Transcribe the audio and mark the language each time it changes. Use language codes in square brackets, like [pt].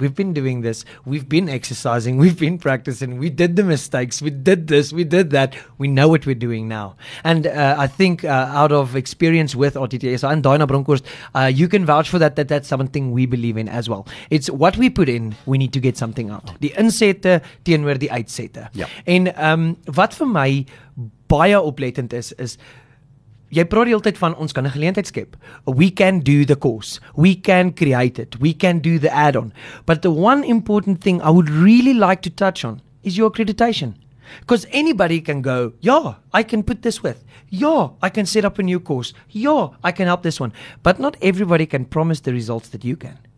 [en] We've been doing this. We've been exercising. We've been practicing. We did the mistakes. We did this. We did that. We know what we're doing now. And I think out of experience with RTTSA and Diana Bronkhorst, you can vouch for that, that's something we believe in as well. It's what we put in, we need to get something out. Oh. [af] Die insette teenoor die uitsette. [en] And [af] wat vir my baie oplettend is, jy praat die hele tyd van ons kan 'n geleentheid skep. [en] We can do the course. We can create it. We can do the add-on. But the one important thing I would really like to touch on is your accreditation. Because anybody can go, yeah, I can put this with. Yeah, I can set up a new course. Yeah, I can help this one. But not everybody can promise the results that you can.